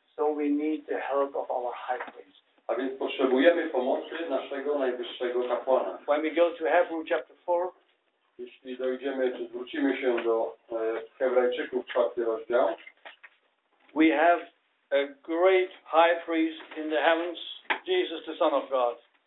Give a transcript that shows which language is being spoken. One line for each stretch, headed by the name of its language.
English: So we need the help of our high priest.
Polish: A więc potrzebujemy pomocy naszego najwyższego kapłana.
English: When we go to Hebrew chapter 4,
Polish: jeśli dojdziemy, czy zwrócimy się do Hebrajczyków, czwarty rozdział,
English: we have a great high priest in the heavens, Jesus the Son of God.